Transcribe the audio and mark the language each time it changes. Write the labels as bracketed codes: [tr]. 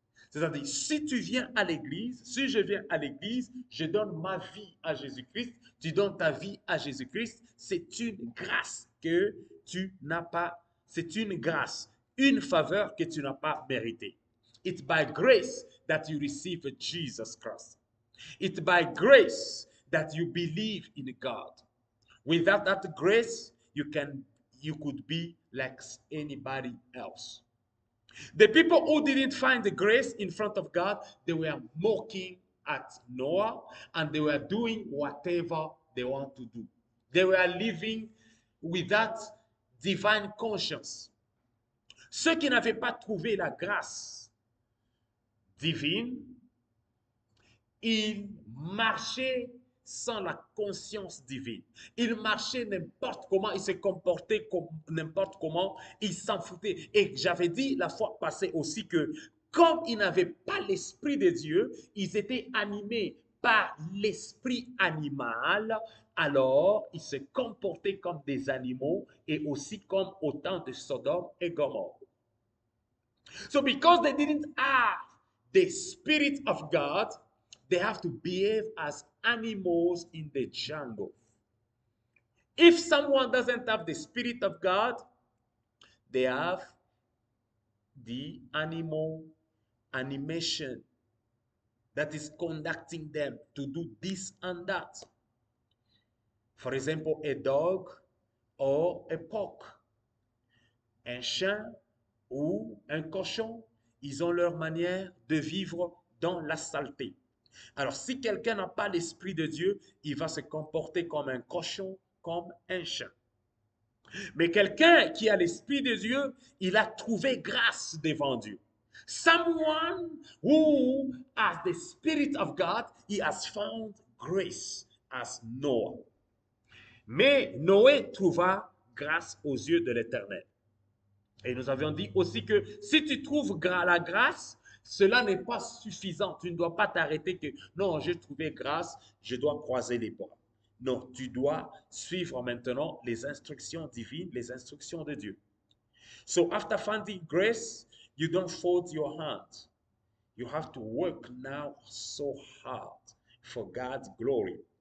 [fr] C'est-à-dire, si tu viens à l'église, si je viens à l'église, je donne ma vie à Jésus-Christ, tu donnes ta vie à Jésus-Christ, c'est une grâce que tu n'as pas, c'est une grâce, une faveur que tu n'as pas méritée. [en] It's by grace that you receive Jesus Christ. It's by grace that you believe in God. Without that grace, you could be like anybody else. The people who didn't find the grace in front of God, they were mocking at Noah and they were doing whatever they want to do. They were living without divine conscience. [fr] Ceux qui n'avaient pas trouvé la grâce divine, ils marchaient sans la conscience divine. Ils marchaient n'importe comment, ils se comportaient comme n'importe comment, ils s'en foutaient. Et j'avais dit la fois passée aussi que comme ils n'avaient pas l'esprit de Dieu, ils étaient animés par l'esprit animal, alors ils se comportaient comme des animaux et aussi comme au temps de Sodome et Gomorrhe. [en] So because they didn't have the spirit of God, they have to behave as animals in the jungle. If someone doesn't have the spirit of God, they have the animal animation that is conducting them to do this and that. For example, a dog or a pork. [fr] Un chien ou un cochon, ils ont leur manière de vivre dans la saleté. Alors, si quelqu'un n'a pas l'Esprit de Dieu, il va se comporter comme un cochon, comme un chien. Mais quelqu'un qui a l'Esprit de Dieu, il a trouvé grâce devant Dieu. [en] Someone who has the Spirit of God, he has found grace as Noah. [fr] Mais Noé trouva grâce aux yeux de l'Éternel. Et nous avions dit aussi que si tu trouves la grâce, cela n'est pas suffisant. Tu ne dois pas t'arrêter que, non, j'ai trouvé grâce, je dois croiser les bras. Non, tu dois suivre maintenant les instructions divines, les instructions de Dieu. [en] So, after finding grace, you don't fold your hands. You have to work now so hard for God's glory.